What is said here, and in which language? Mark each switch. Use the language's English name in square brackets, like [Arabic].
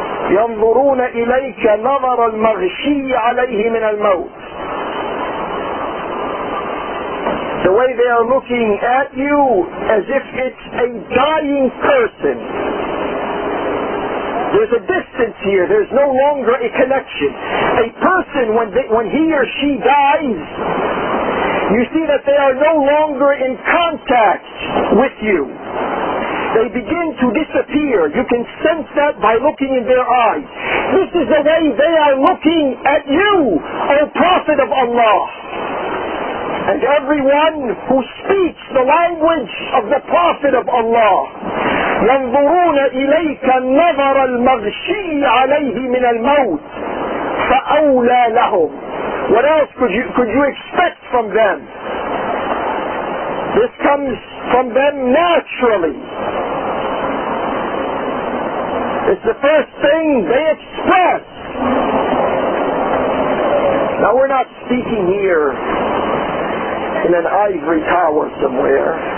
[Arabic] ينظرون إليك نظر المغشي عليه من الموت. [English] The way they are looking at you as if it's a dying person. There's a distance here. There's no longer a connection. A person, when he or she dies, you see that they are no longer in contact with you. They begin to disappear. You can sense that by looking in their eyes. This is the way they are looking at you, O Prophet of Allah. And everyone who speaks the language of the Prophet of Allah. [Arabic] ينظرون إليك النظر المغشي عليه من الموت فأولى لهم. [English] What else could you expect from them? This comes from them naturally. It's the first thing they express. Now we're not speaking here in an ivory tower somewhere.